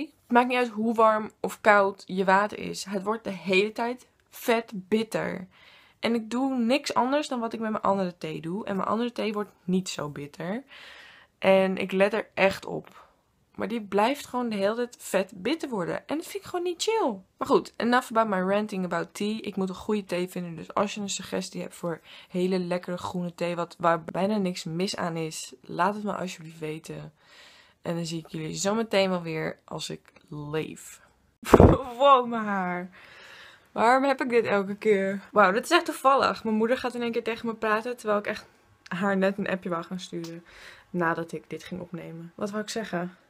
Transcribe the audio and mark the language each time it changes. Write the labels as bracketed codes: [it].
[nl] Het maakt niet uit hoe warm of koud je water is. Het wordt de hele tijd vet bitter. En ik doe niks anders dan wat ik met mijn andere thee doe. En mijn andere thee wordt niet zo bitter. En ik let er echt op. Maar die blijft gewoon de hele tijd vet bitter worden. En dat vind ik gewoon niet chill. Maar goed, [en] enough about my ranting about tea. [nl] Ik moet een goede thee vinden. Dus als je een suggestie hebt voor hele lekkere groene thee, waar bijna niks mis aan is, laat het me alsjeblieft weten. En dan zie ik jullie zo meteen wel weer als ik leef. Wow, mijn haar. Waarom heb ik dit elke keer? Wauw, dat is echt toevallig. Mijn moeder gaat in één keer tegen me praten, terwijl ik echt haar net een appje wou gaan sturen nadat ik dit ging opnemen. Wat wou ik zeggen?